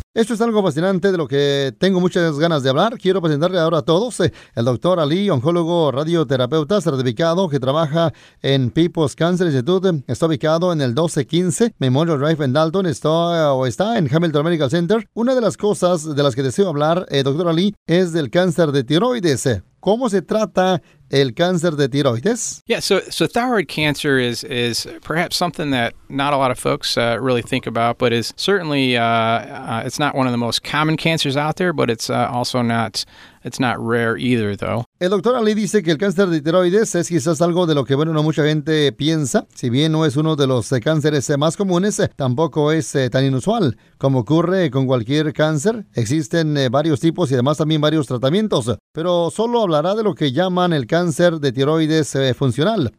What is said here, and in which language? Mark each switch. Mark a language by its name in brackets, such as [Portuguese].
[Spanish] Esto es algo fascinante de lo que tengo muchas ganas de hablar. Quiero presentarle ahora a todos el doctor Ali, oncólogo radioterapeuta certificado que trabaja en People's Cancer Institute. Está ubicado en el 1215 Memorial Drive en Dalton. Está en Hamilton Medical Center. Una de las cosas de las que deseo hablar, doctor Ali, es del cáncer de tiroides. ¿Cómo se trata el cáncer de tiroides? [English] Yeah, so thyroid cancer is perhaps something that not a lot of folks really think about, but is certainly it's not one of the most common cancers out there, but it's also not rare either though. [Spanish] El doctor Ali dice que el cáncer de tiroides es quizás algo de lo que bueno no mucha gente piensa, si bien no es uno de los cánceres más comunes, tampoco es tan inusual como ocurre con cualquier cáncer. Existen varios tipos y además también varios tratamientos, pero solo hablará de lo que llaman el cáncer de tiroides funcional.